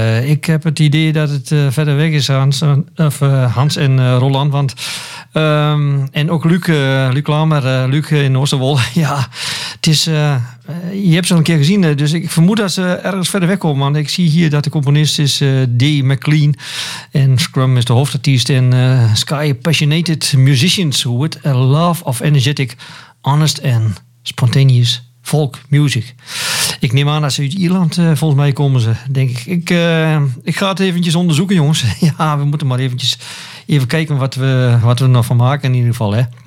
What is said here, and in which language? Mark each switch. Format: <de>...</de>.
<nl>Ik heb het idee dat het verder weg is, Hans en Roland. Want, en ook Luc Lamer, in Oosterwol. Ja, het is, je hebt ze al een keer gezien, dus ik vermoed dat ze ergens verder weg komen. Want ik zie hier dat de componist is D. McLean. En Scrum is de hoofdartiest. En</nl> <en>Sky Passionated Musicians, with a love of energetic, honest and spontaneous folk music.</en> <nl>Ik neem aan dat ze uit Ierland, volgens mij komen ze, denk ik. Ik ga het eventjes onderzoeken, jongens. Ja, we moeten maar eventjes even kijken wat we nog van maken, in ieder geval, hè.</nl>